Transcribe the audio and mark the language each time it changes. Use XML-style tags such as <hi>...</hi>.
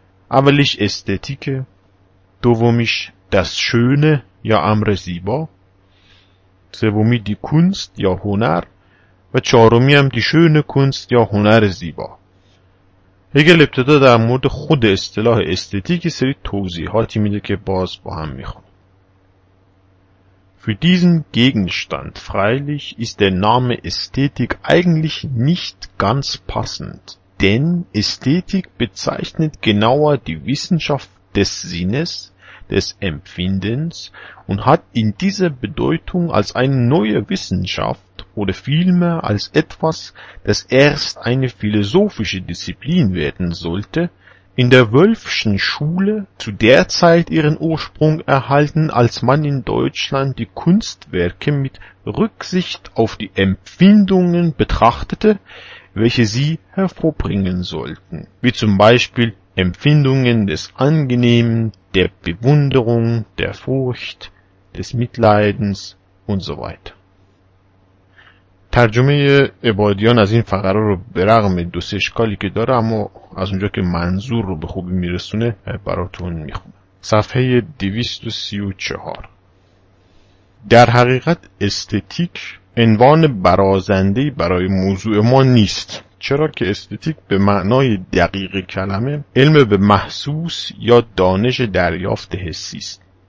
<fa>اولیش استتیکه، دومیش دست شونه یا امر زیبا، سومی دی کونست یا هنر و چهارمی هم دی شون کونست یا هنر زیبا. هگل ابتدا در مورد خود اصطلاح استتیک سری توضیحاتی میده که باز با هم میخونیم.</fa> <de>Für diesen Gegenstand freilich ist der Name Ästhetik eigentlich nicht ganz passend, denn Ästhetik bezeichnet genauer die Wissenschaft des Sinnes, des Empfindens und hat in dieser Bedeutung als eine neue Wissenschaft oder vielmehr als etwas, das erst eine philosophische Disziplin werden sollte, in der Wölfschen Schule zu der Zeit ihren Ursprung erhalten, als man in Deutschland die Kunstwerke mit Rücksicht auf die Empfindungen betrachtete, welche sie hervorbringen sollten, wie zum Beispiel Empfindungen des Angenehmen, der Bewunderung, der Furcht, des Mitleidens und so weiter.</de> <fa>ترجمه عبادیان از این فقره رو به رغم دو سه اشکالی که داره اما از اونجا که منظور رو به خوبی میرسونه براتون میخونه. صفحه 234. در حقیقت استتیک عنوان برازندهی برای موضوع ما نیست، چرا که استتیک به معنای دقیق کلمه علم به محسوس یا دانش دریافت حسی است</fa>